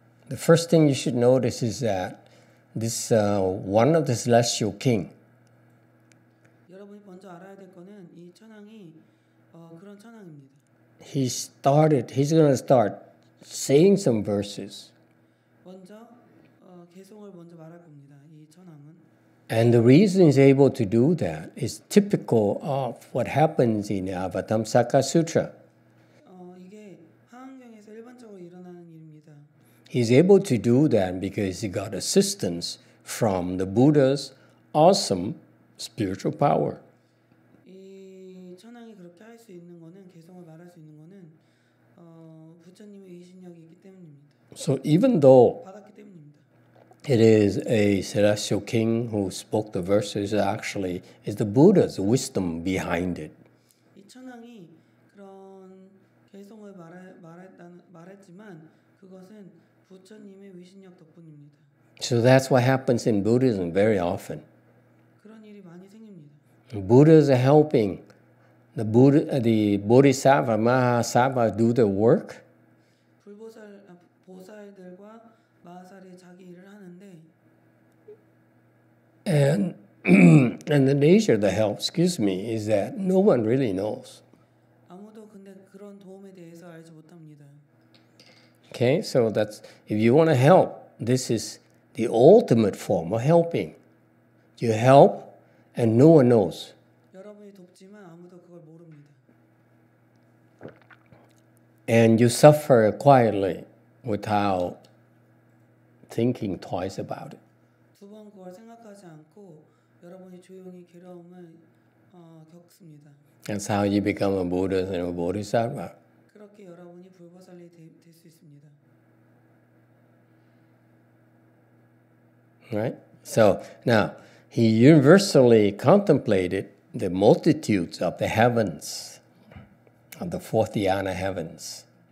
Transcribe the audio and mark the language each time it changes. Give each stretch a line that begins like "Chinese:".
English: The first thing you should notice is that this one of the celestial king.
Korean: 여러분이 먼저 알아야 될 거는 이 천왕이 그런 천왕입니다.
English: He's going to start saying some verses.
Korean: 먼저 개송을 먼저 말할 겁니다. 이 천왕은.
English: And the reason he's able to do that is typical of what happens in the Avatamsaka Sutra.
Korean: 이게 화엄경에서 일반적으로 일어나는 일입니다.
English: He's able to do that because he got assistance from the Buddha's awesome spiritual power.
Korean: 이 천왕이 그렇게 할 수 있는 거는 개성을 말할 수 있는 거는 부처님의 위신력이기 때문입니다.
English: So even though it is a celestial king who spoke the verses, actually it's the Buddha's wisdom behind it.
Korean: 이 천왕이 그런 개성을 말했지만 그것은 부처님의 위신력 덕분입니다.
English: So that's what happens in Buddhism very often.
Korean: 그런 일이 많이 생깁니다.
English: Buddha's helping the Bodhisattva, Mahasattva do their work.
Korean: 불보살, 보살들과 마하살이 자기 일을 하는데
English: and the nature of the help, excuse me, is that no one really knows.
Korean: 아무도 근데 그런 도움에 대해서 알지 못합니다.
English: Okay, so that's if you want to help, this is the ultimate form of helping. You help and no one knows.
Korean: 여러분이 돕지만 아무도 그걸 모릅니다.
English: And you suffer quietly without thinking twice about it.
Korean: 두 번 그걸 생각하지 않고 여러분이 조용히 괴로움을 겪습니다.
English: That's how you become a Buddha and a Bodhisattva.
Korean: 그렇게 여러분이 불보살이 될 수 있습니다.
English: Right? So now, he universally contemplated the multitudes of the heavens, of the fourth dhyana heavens.